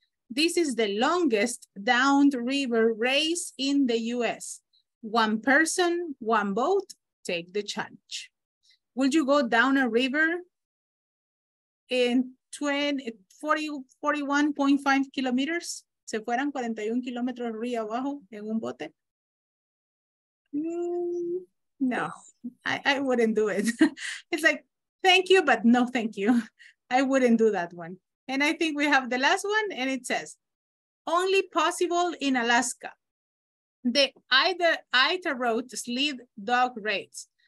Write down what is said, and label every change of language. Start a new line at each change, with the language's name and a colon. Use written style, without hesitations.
English: This is the longest downriver race in the US. One person, one boat, take the challenge. Would you go down a river in 41.5 kilometers?
Spanish: ¿Se fueran 41 kilómetros río abajo en un bote?
English: No, I wouldn't do it. It's like, thank you, but no thank you. I wouldn't do that one. And I think we have the last one, and it says, only possible in Alaska. The Ida Road Sled Dog Race.